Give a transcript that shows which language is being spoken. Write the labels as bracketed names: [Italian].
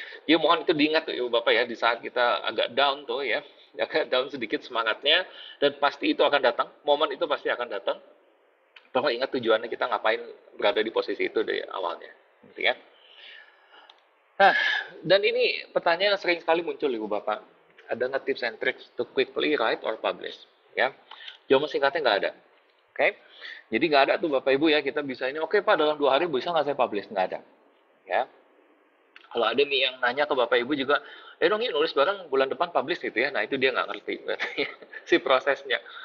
[Indonesian] Ya, mohon itu diingat ya Bapak ya, di saat kita agak down tuh ya, agak down sedikit semangatnya, dan pasti itu akan datang, momen itu pasti akan datang. Bapak ingat tujuannya kita ngapain berada di posisi itu dari awalnya. Gitu ya. Nah, dan ini pertanyaan yang sering sekali muncul ya Bapak. Ada nggak [English] tips and tricks to quickly write or publish? [Indonesian] Ya, jawaban singkatnya nggak ada. Oke, okay. Jadi nggak ada tuh Bapak Ibu ya, kita bisa ini, oke okay, Pak dalam 2 hari bisa nggak saya publish? Nggak ada. Ya. Kalau ada nih yang nanya ke Bapak Ibu juga, eh dong ini nulis bareng bulan depan publish gitu ya, nah itu dia nggak ngerti si prosesnya.